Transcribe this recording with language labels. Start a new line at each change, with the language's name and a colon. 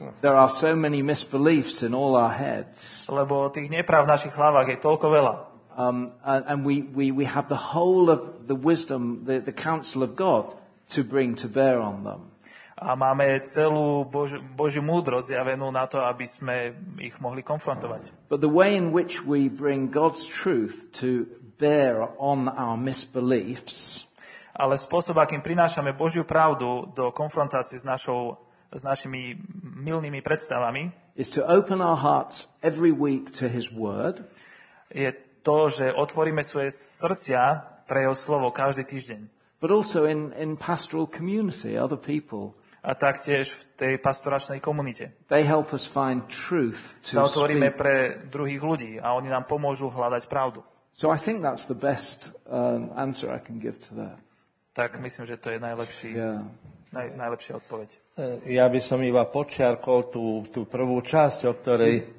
English: There are so many misbeliefs in all our heads.
Slovak: Lebo tých nepráv v našich hlavách je toľko veľa.
English: And we have the whole of the wisdom, the counsel of God to bring to bear on them.
Slovak: A máme celú Božiu múdrosť zjavenú na to, aby sme ich mohli konfrontovať.
English: But the way in which we bring God's truth to bear on our misbeliefs.
Slovak: Ale spôsob, akým prinášame Božiu pravdu do konfrontácie s našimi mylnými predstavami,
English: is to open our hearts every week to his word.
Slovak: Je to, že otvoríme svoje srdcia pre jeho slovo každý týždeň.
English: But also in pastoral community, other people.
Slovak: A taktiež v tej pastoračnej komunite.
English: They help us find truth to speak. Sa
Slovak: otvoríme pre druhých ľudí a oni nám pomôžu hľadať pravdu.
English: So I think that's the best answer I can give to that.
Slovak: Tak myslím, že to je najlepší, najlepšia odpoveď. Ja by som iba počiarkol tú prvú časť, o ktorej...